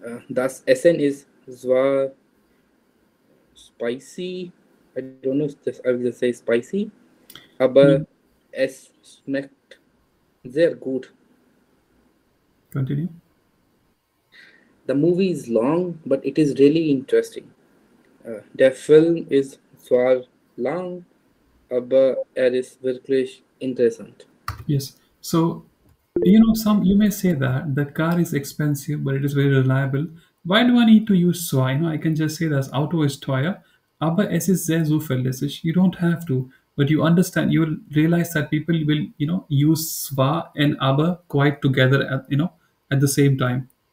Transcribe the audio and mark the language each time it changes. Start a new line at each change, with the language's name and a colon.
English: Thus, Essen is zwar spicy. I don't know. I will just say spicy.
German: Aber es schmeckt sehr gut.
English: Continue. The movie is long, but it is really interesting.
German: Der Film ist zwar lang, aber ist wirklich interessant.
English: Yes. So, you know, you may say that the car is expensive, but it is very reliable. Why do I need to use zwar? You know, I can just say
German: das Auto ist teuer, aber es ist sehr zuverlässig.
English: You don't have to, but you understand, you will realize that people will, you know, use zwar and aber quite together at, you know, at the same time.